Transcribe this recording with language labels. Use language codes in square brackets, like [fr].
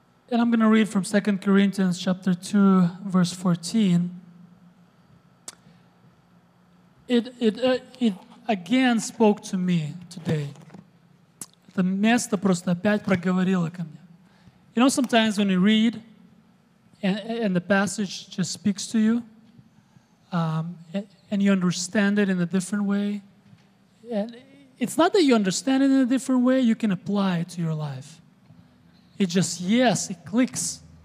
[en] And I'm going to read from 2 Corinthians chapter 2, verse 14. It again spoke to me today. [ru] Это место просто опять проговорило ко мне. [en] You know, sometimes when you read, and the passage just speaks to you. And you understand it in a different way. And it's not that you understand it in a different way. You can apply it to your life. It just, yes, it clicks.